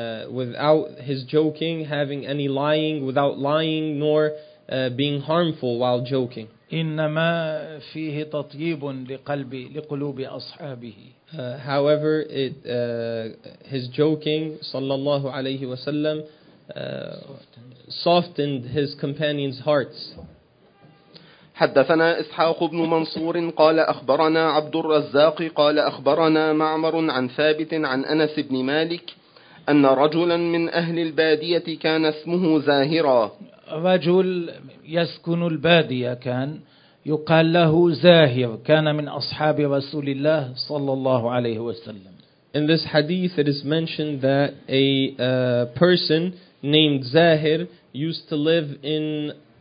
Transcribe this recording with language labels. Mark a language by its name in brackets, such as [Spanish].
[English] Without his joking, having any lying, without lying nor being harmful while joking. [Arabic] إنما فيه تطيب لقلبي لقلوب أصحابه. [English] However, his joking, صلى الله عليه وسلم, softened his companions' hearts. [Arabic] حدثنا إسحاق بن منصور قال أخبرنا عبد الرزاق قال أخبرنا معمر عن ثابت عن أنس بن مالك أن رجلا من أهل البادية كان اسمه زاهرا. رجل يسكن البادية كان يقال له زاهر، كان من أصحاب رسول الله صلى الله عليه وسلم. [English] In this hadith it is mentioned that a person named Zahir used to live in